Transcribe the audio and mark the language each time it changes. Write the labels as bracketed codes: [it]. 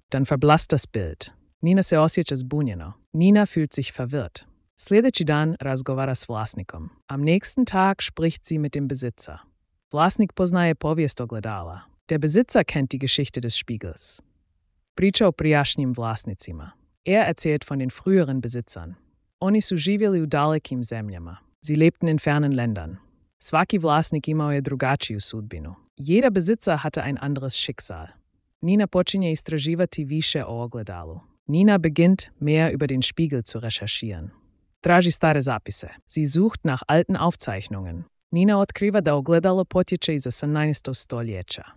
[de] Dann verblasst das Bild. [hr] Nina se osjeća zbunjeno. [de] Nina fühlt sich verwirrt. [hr] Sljedeći dan razgovara s vlasnikom. [de] Am nächsten Tag spricht sie mit dem Besitzer. [hr] Vlasnik poznaje povijest ogledala. [de] Der Besitzer kennt die Geschichte des Spiegels. [hr] Priča o prijašnjim vlasnicima. [de] Er erzählt von den früheren Besitzern. [hr] Oni su živjeli u dalekim zemljama. [de] Sie lebten in fernen Ländern. [hr] Svaki vlasnik imao je drugačiju sudbinu. [de] Jeder Besitzer hatte ein anderes Schicksal. [hr] Nina počinje istraživati više o ogledalu. [de] Nina beginnt, mehr über den Spiegel zu recherchieren. [hr] Traži stare zapise. [de] Sie sucht nach alten Aufzeichnungen. [hr] Nina otkriva da ogledalo potječe iz 18. stoljeća.